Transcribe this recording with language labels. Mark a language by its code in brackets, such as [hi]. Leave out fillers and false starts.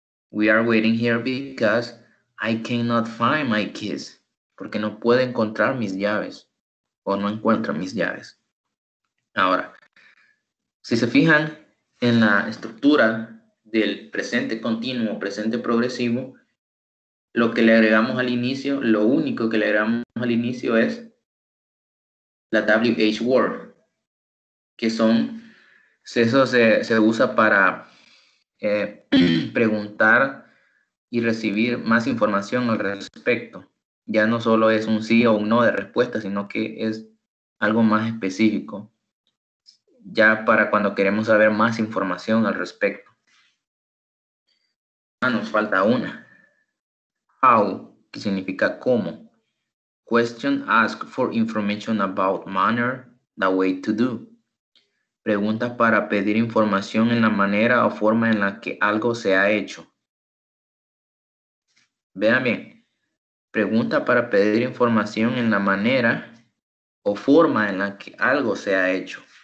[en] We are waiting here because I cannot find my keys. [es] Porque no puedo encontrar mis llaves. O no encuentro mis llaves. Ahora, si se fijan en la estructura del presente continuo, presente progresivo, lo que le agregamos al inicio, lo único que le agregamos al inicio es la WH word, que son, eso se usa para preguntar y recibir más información al respecto. Ya no solo es un sí o un no de respuesta, sino que es algo más específico. Ya para cuando queremos saber más información al respecto. Ah, nos falta una. How, que significa cómo. [en] Question ask for information about manner, the way to do. [es] Pregunta para pedir información en la manera o forma en la que algo se ha hecho. Vean bien. Pregunta para pedir información en la manera o forma en la que algo se ha hecho.